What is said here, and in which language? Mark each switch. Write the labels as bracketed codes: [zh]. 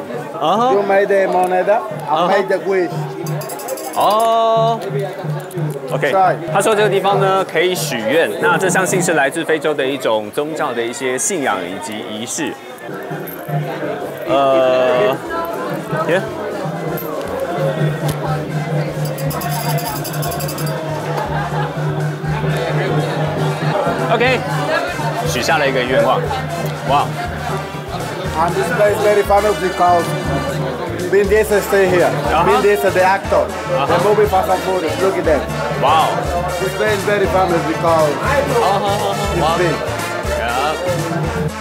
[en] You made the moneda, I made the wish. [zh] OK， 他说这个地方呢可以许愿，那这相信是来自非洲的一种宗教的一些信仰以及仪式。 OK， 许下了一个愿望，哇！ [en] And this place very famous because Vin Diesel stay here. Vin Diesel the actor, the movie Fast and Furious. Look at that. Wow. This place very famous because it's big.